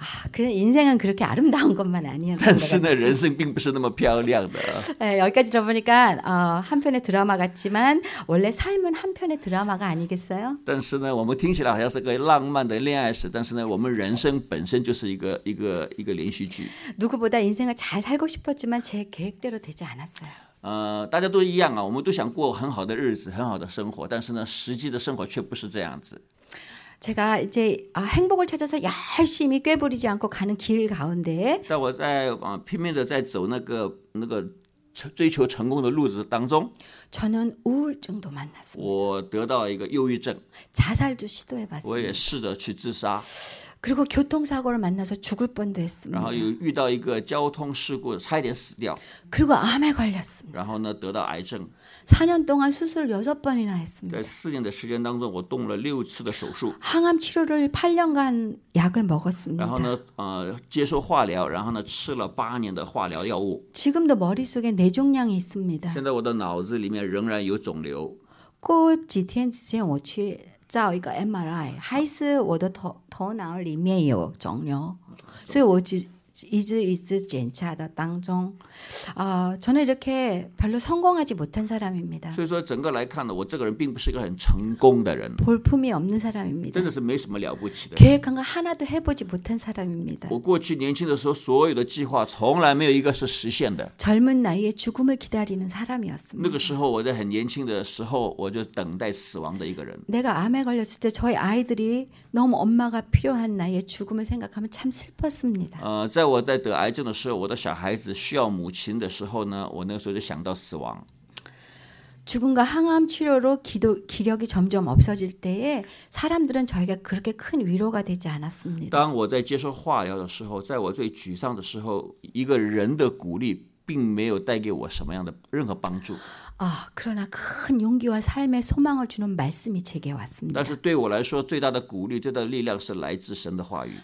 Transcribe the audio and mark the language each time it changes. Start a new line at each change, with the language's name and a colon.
Korean: 그인생은그렇게아름다운것만아니에요
Chinese: 但是呢人生并不是那么漂亮的
Korean: 여기까지들어보니까한편의드라마같지만원래삶은한편의드라마가아니겠어요
Chinese: 但是呢我们听起来好像是个浪漫的恋爱史但是呢我们人生本身就是一个连续剧
Korean: 누구보다인생을잘살고싶었지만제계획대로되지않았어요
Chinese: 大家都一样啊我们都想过很好的日子很好的生活但是呢实际的生活却不是这样子。
Korean: 제가이제행복을찾아서열심히꿰부리지않고가는길가운데
Chinese: 在我在拼命的在走那个追求成功的路子当中
Korean: 저는우울증도만났습니다
Chinese: 我得到一个忧郁症
Korean: 자살도시도해봤습니다
Chinese: 我也试着去自杀
Korean: 그리고교통사고를만나서죽을뻔도했습니다
Chinese: 然后又遇到一个交通事故差一点死掉
Korean: 그리고암에걸렸습니다
Chinese: 然后呢得到癌症
Korean: 4년동안수술6번이나했습니다
Chinese: 在4年的时间当中我动了6次的手术
Korean: 항암치료를8년간약을먹었습니다
Chinese: 然后呢接受化疗然后呢吃了8年的化疗药物
Korean: 지금도머릿속에뇌종양이있습니다
Chinese: 现在我的脑子里面仍然有肿瘤过几天之前我去照一个 MRI 还是我的 头脑里面有肿瘤所以我一直检查的当中
Korean: 저는이렇게별로성공하지못한사람입니다
Chinese: 所以说整个来看我这个人并不是一个很成功的人
Korean: 볼품이없는사람입니다
Chinese: 真的是没什么了不起的
Korean: 계획한거하나도해보지못한사람입니다
Chinese: 我过去年轻的时候所有的计划从来没有一个是实现的
Korean: 젊은나이에죽음을기다리는사람이었습니다
Chinese: 那个时候我在很年轻的时候我就等待死亡的一个人
Korean: 내가암에걸렸을때저희아이들이너무엄마가필요한나이에죽음을생각하면참슬펐습니다
Chinese: 在我在得癌症的时候我的小孩子需要母亲的时候呢我那个时候就想到死亡
Korean: 죽음과항암치료로 기력이점점없어질때에사람들은저에게그렇게큰위로가되지않았습니다
Chinese: 当我在接受化疗的时候在我最沮丧的时候一个人的鼓励并没有带给我什么样的任何帮助。
Korean: 啊，그러나큰용기와삶의소망을주는말씀이제게왔습니다。
Chinese: 但是对我来说，最大的鼓励、最大的力量是来自神的话语。